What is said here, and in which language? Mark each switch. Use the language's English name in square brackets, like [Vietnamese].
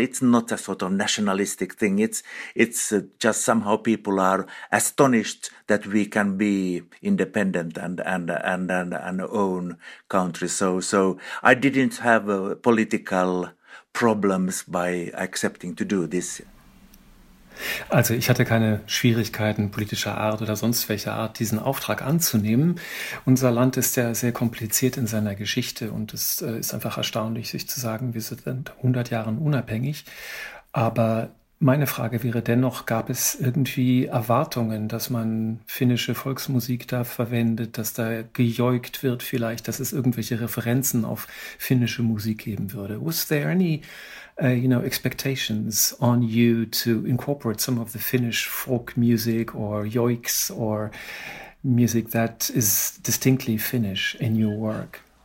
[English] It's not a sort of nationalistic thing. It's just somehow people are astonished that we can be independent and own country. So I didn't have political problems by accepting to do this. [German] Also ich hatte keine Schwierigkeiten politischer Art oder sonst welcher Art, diesen Auftrag anzunehmen. Unser Land ist ja sehr kompliziert in seiner Geschichte und es ist einfach erstaunlich, sich zu sagen, wir sind 100 Jahre unabhängig. Aber meine Frage wäre dennoch, gab es irgendwie Erwartungen, dass man finnische Volksmusik da verwendet, dass da gejoikt wird vielleicht, dass es irgendwelche Referenzen auf finnische Musik geben würde? [English] Was there any expectations on you to incorporate some of the Finnish folk music or joiks or music that is distinctly Finnish in your work?